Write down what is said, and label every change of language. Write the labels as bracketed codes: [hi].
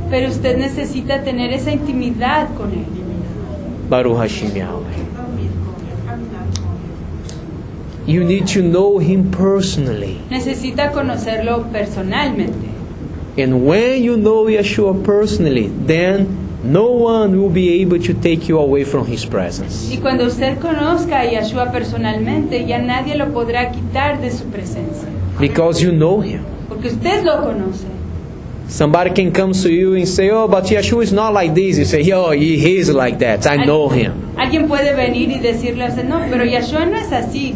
[es] Pero usted necesita tener esa intimidad con él. [he] Baruch Hashem Yahweh. [en] You need to know him personally. [es] Necesita conocerlo personalmente. [en] And when you know Yeshua personally, then no one will be able to take you away from his presence. [es] Y cuando usted conozca a Yeshua personalmente, ya nadie lo podrá quitar de su presencia. [en] Because you know him. [es] Porque usted lo conoce. [en] Somebody can come to you and say, oh, but Yeshua is not like this. You say, oh, he is like that. I know him. [es] Alguien puede venir y decirle, no, pero Yeshua no es así.